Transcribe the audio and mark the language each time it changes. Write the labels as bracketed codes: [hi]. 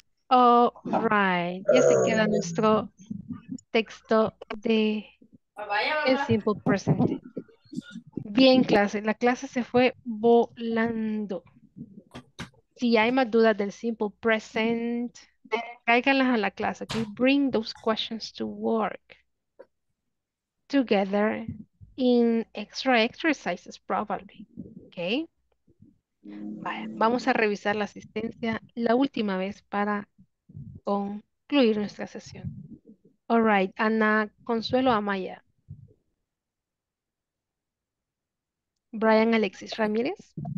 [en] All right, [es] ya se queda nuestro texto de el simple present. Bien, clase. La clase se fue volando. Si hay más dudas del simple present, cáiganlas a la clase. [en] Okay? Bring those questions to work together in extra exercises, probably. Okay? [es] Vale, vamos a revisar la asistencia la última vez para concluir nuestra sesión. [en] All right, Ana Consuelo Amaya. Brian Alexis Ramírez.